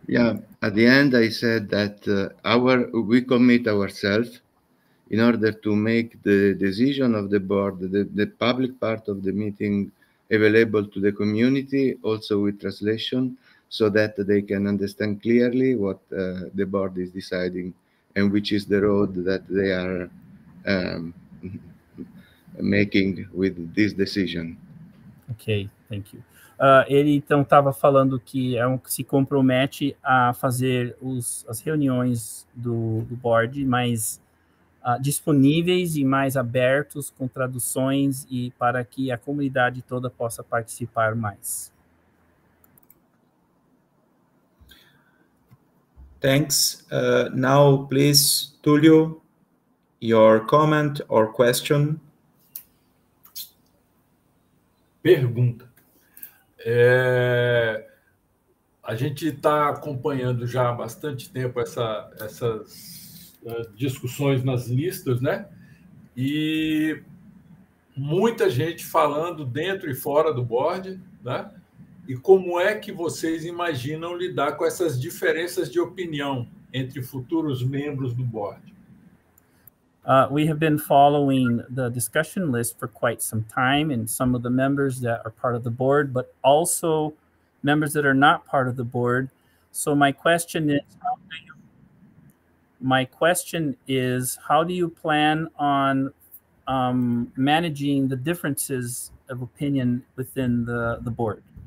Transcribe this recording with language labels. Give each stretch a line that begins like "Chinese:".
English: Yeah, at the end I said that we commit ourselves in order to make the decision of the board, the public part of the meeting, available to the community, also with translation, so that they can understand clearly what the board is deciding and which is the road that they are making with this decision. Okay, thank you.
Portuguese: Ele então estava falando que se compromete a fazer as reuniões do board mais disponíveis e mais abertos, com traduções, e para que a comunidade toda possa participar mais.
English: Thanks. Now, please, Tulio, your comment or question.
Portuguese: Pergunta. A gente está acompanhando já há bastante tempo essas discussões nas listas, né? E muita gente falando dentro e fora do board, né? e como é que vocês imaginam lidar com essas diferenças de opinião entre futuros membros do board?
English: We have been following the discussion list for quite some time, and some of the members that are part of the board, but also members that are not part of the board. So my question is, how do you plan on managing the differences of opinion within the board?